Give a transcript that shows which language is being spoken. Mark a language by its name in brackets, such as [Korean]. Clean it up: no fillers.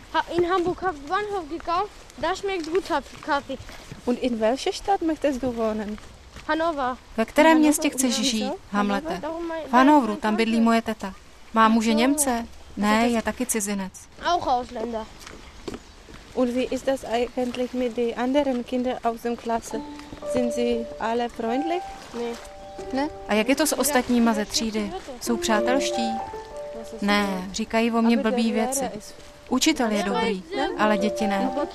[German] In Hamburg habe ich Bahnhof gekauft. Da schmeckt guter Kaffee. Und in welcher Stadt möchtest du wohnen? Hannover. [Czech] Ve kterém městě chceš žít, Hamlete? V Hannoveru, tam bydlí moje teta. Má muže Němce? Ne, je taky cizinec. [German] Auch Ausländer. Und wie ist das eigentlich mit den anderen Kindern aus dem Klasse? Sind sie alle freundlich? Nee. [Czech] Ne? A jak je to s ostatníma ze třídy? Jsou přátelští? Ne, říkají o mě blbý věci. Učitel je dobrý, ale děti ne.